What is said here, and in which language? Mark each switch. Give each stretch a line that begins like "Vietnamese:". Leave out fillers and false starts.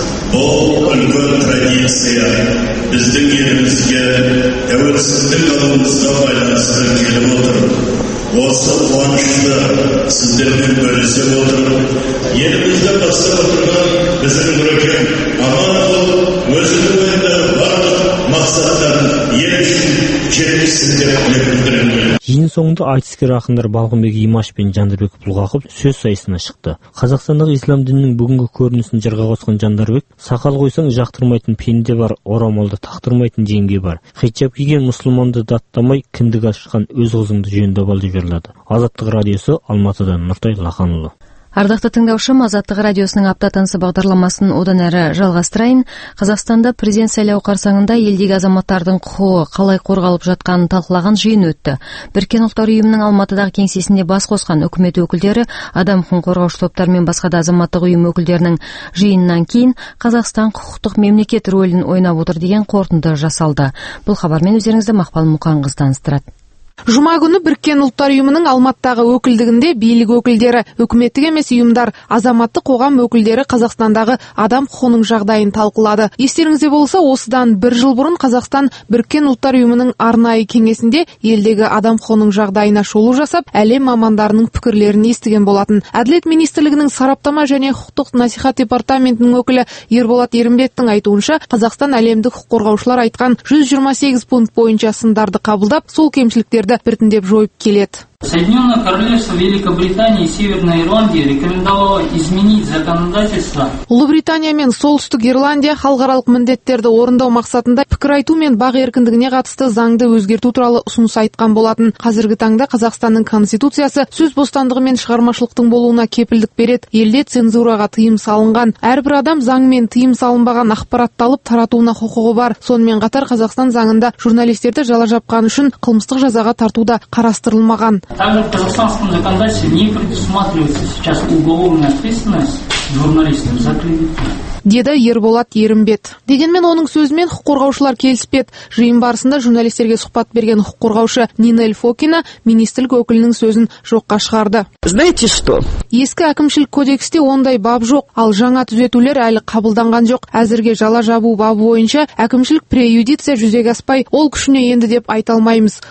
Kazakh: Бұл үлкен традиция біздің елімізге тәуелсіздік алуымызға байланысты келіп отыр. Осы қуанышты сіздермен бөлісе отырып, елімізді бастап отырған біздің мүрекем аман болып, өзінің өзінің барлық мақсаттарын ел үшін жеткіз
Kyrgyz: Жин соңунда айтыскер акындар Балгынбек Имаш менен Жандарбек Булгаков сөз сайысына чыкты. Казакстандагы ислам дининин бүгүнкү көрүнүшүн жарга коскон Жандарбек, сакал койсоң жактырмайтын пенде бар, оромолду тактырмайтын жеңге бар. Хиджаб кийген мусулманды даттамай киндик ашкан өз кызыңды жөндөп ал деп жырлады. Азаттык радиосу Алматыдан Нуртай Лаханулу.
Kazakh: Ардақты тыңдаушым, Азаттық радиосының апта танысы бағдарламасын одан әрі жалғастырайын. Қазақстанда президент сайлауы қарсаңында елдегі азаматтардың құқығы қалай қорғалып жатқанын талқылаған жиын өтті. Біріккен ұлттар ұйымының Алматыдағы кеңсесінде бас қосқан үкімет өкілдері, адам құқығын қорғаушы топтар мен басқа да азаматтық ұйым өкілдерінің жиынынан кейін Қазақстан құқықтық мемлекет рөлін ойнап отыр деген қорытынды жасалды. Бұл хабармен өздеріңізді Мақпал Мұқанқызы таныстырады. Жума күні Біріккен ұлттар ұйымының Алматыдағы өкілдігінде билік өкілдері, үкіметтік емес ұйымдар, азаматтық қоғам өкілдері Қазақстандағы адам құқығының жағдайын талқылады. Естеріңізде болса, осыдан бір жыл бұрын Қазақстан Біріккен ұлттар ұйымының арнайы кеңесінде елдегі адам құқығының жағдайына шолу жасап, әлем мамандарының пікірлерін естіген болатын. Әділет министрлігінің сараптама және құқықтық насихат департаментінің өкілі Ерболат Ерімбеттің айтуынша, Қазақстан әлемдік құқық қорғаушылар айтқан 128 пункт бойынша сындарды қабылдап, сол кемшілік біртіндеп жойып келеді.
Russian: Соединенное Королевство Великобритании и Северной Ирландии рекомендовало изменить законодательство.
Kazakh: Ұлыбритания мен Солтүстік Ирландия халықаралық міндеттерді орындау мақсатында пікір айту мен бақ еркіндігіне қатысты заңды өзгерту туралы ұсыныс айтқан болатын. Қазіргі таңда Қазақстанның конституциясы сөз бостандығы мен шығармашылықтың болуына кепілдік береді. Елде цензураға тыйым салынған. Әрбір адам заңмен тыйым салынбаған ақпаратталып таратуына құқығы бар. Сонымен қатар Қазақстан заңында журналистерді жала жапқан үшін қылмыстық жазаға тартуда қарастырылмаған.
Russian: Также в казахстанском законодательстве не предусматривается сейчас уголовная ответственность журналистам за клевету.
Kazakh: Деді Ерболат Ерімбет. Дегенмен оның сөзімен құқық қорғаушылар келіспеді. Жиын барысында журналистерге сұхбат берген құқық қорғаушы Нинель Фокина министрлік өкілінің сөзін жоққа шығарды.
Russian: Знаете что?
Kazakh: Ескі әкімшілік кодексте ондай бап жоқ, ал жаңа түзетулер әлі қабылданған жоқ. Әзірге жала жабу бабы бойынша әкімшілік преюдиция жүзеге аспай, ол күшіне енді деп айта алмаймыз.